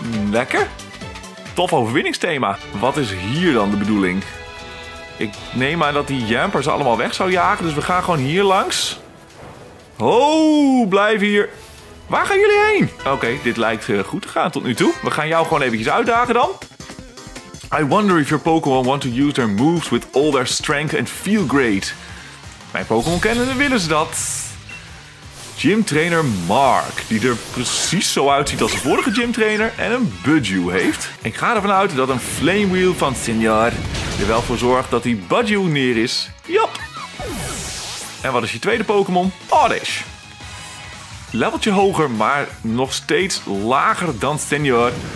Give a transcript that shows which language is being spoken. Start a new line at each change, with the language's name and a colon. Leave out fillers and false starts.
Dutch: Lekker. Tof overwinningsthema. Wat is hier dan de bedoeling? Ik neem aan dat die Yampers allemaal weg zou jagen, dus we gaan gewoon hier langs. Oh, blijf hier. Waar gaan jullie heen? Oké, dit lijkt goed te gaan tot nu toe. We gaan jou gewoon eventjes uitdagen dan.
English: I wonder if your Pokémon want to use their moves with all their strength and feel great.
Dutch: Mijn Pokémon kennen, dan willen ze dat. Gymtrainer Mark, die er precies zo uitziet als de vorige gymtrainer en een Budgie heeft. Ik ga ervan uit dat een Flame Wheel van Signor er wel voor zorgt dat die Budgie neer is. Jap! En wat is je tweede Pokémon? Oddish. Leveltje hoger, maar nog steeds lager dan Signor.